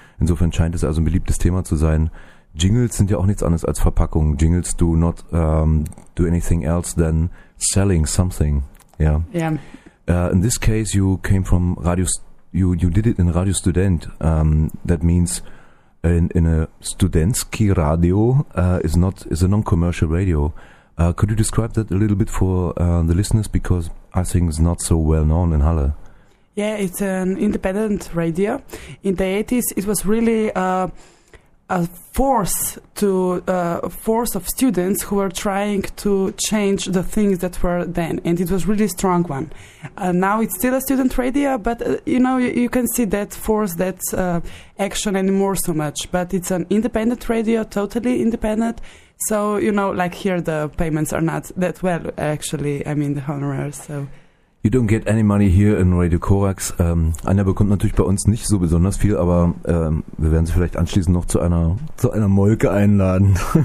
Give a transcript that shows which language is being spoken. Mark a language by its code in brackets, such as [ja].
[de] Insofern scheint es also ein beliebtes Thema zu sein. Jingles sind ja auch nichts anderes als Verpackungen. [en] Jingles do not do anything else than selling something. Yeah. Yeah. In this case, you came from Radio. You did it in Radio Student. That means in a Studentski Radio is a non-commercial radio. Could you describe that a little bit for the listeners, because I think it's not so well known in Halle? Yeah, it's an independent radio. In the 80s, it was really a force of students who were trying to change the things that were then, and it was really strong one. Now it's still a student radio, but you know, you can see that force, that action anymore so much. But it's an independent radio, totally independent. So you know, like here, the payments are not that well. Actually, I mean the honorars. So you don't get any money here in Radio Korax. [de] Anja bekommt natürlich bei uns nicht so besonders viel, aber wir werden sie vielleicht anschließend noch zu einer Molke einladen.